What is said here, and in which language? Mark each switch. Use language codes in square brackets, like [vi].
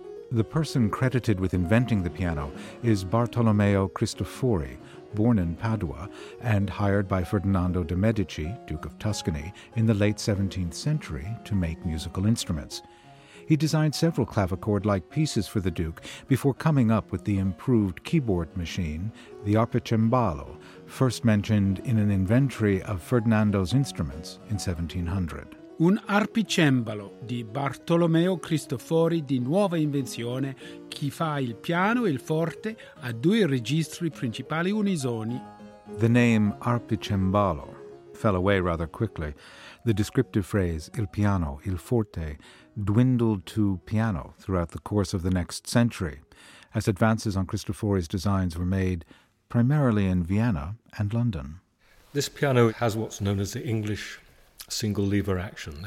[en] The person credited with inventing the piano is Bartolomeo Cristofori, born in Padua and hired by Ferdinando de' Medici, Duke of Tuscany, in the late 17th century to make musical instruments. He designed several clavichord-like pieces for the Duke before coming up with the improved keyboard machine, the arpicembalo, first mentioned in an inventory of Ferdinando's instruments in 1700. [it] un arpicembalo di Bartolomeo Cristofori di nuova invenzione che fa il piano e il forte a due registri principali unisoni. [en] The name arpicembalo fell away rather quickly. The descriptive phrase [it] il piano, il forte, [en] dwindled to piano throughout the course of the next century, as advances on Cristofori's designs were made primarily in Vienna and London. This piano has what's known as the English single lever action.